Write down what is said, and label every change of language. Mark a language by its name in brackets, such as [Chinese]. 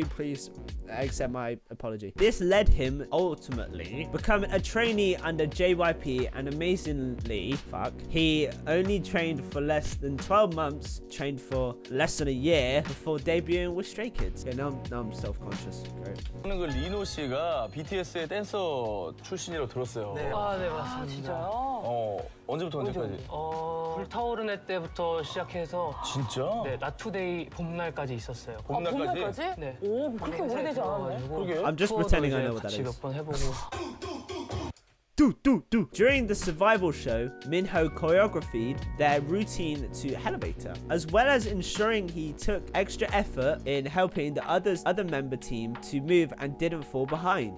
[English] Please accept my apology. This led him ultimately become a trainee under JYP, and amazingly, fuck, he only trained for less than 12 months, trained for less than a year before debuting with Stray Kids. Okay, now I'm self-conscious. Great. [Korean] 저는 그 리노 씨가 BTS의 댄서 출신이라고 들었어요. 네. 아, 네, 맞습니다. 아, 진짜요? 언제부터 언제까지? 불타오르네 때부터 시작해서 진짜? 네, 나투데이 봄날까지 있었어요. 봄날까지? 아, 봄날까지? 네. 오, 그렇게 오래되지 않았네. 그러게요? [English] I'm just pretending I know what that is. [Korean] 몇 번 해보고 [English] During the survival show, Minho choreographed their routine to Elevator, as well as ensuring he took extra effort in helping the other member team to move and didn't fall behind.